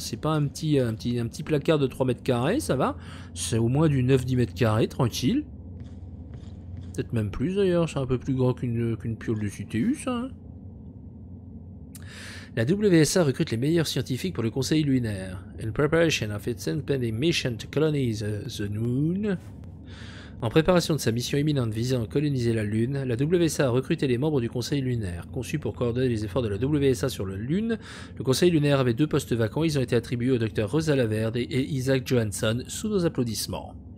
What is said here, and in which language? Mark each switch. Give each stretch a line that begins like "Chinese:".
French: C'est pas un petit placard de 3 mètres carrés, ça va. C'est au moins du 9-10 mètres carrés, tranquille. Peut-être même plus, d'ailleurs. C'est un peu plus grand qu'une piole de CTU, ça, hein. La WSA recrute les meilleurs scientifiques pour le Conseil Lunaire.
English: In preparation of its impending mission to colonize the Moon.
French: En préparation de sa mission imminente visant à coloniser la Lune, la WSA a recruté les membres du Conseil Lunaire. Conçu pour coordonner les efforts de la WSA sur la Lune, le Conseil Lunaire avait 2 postes vacants. Ils ont été attribués au Dr. Rosa Laverde et Isaac Johansson sous nos applaudissements.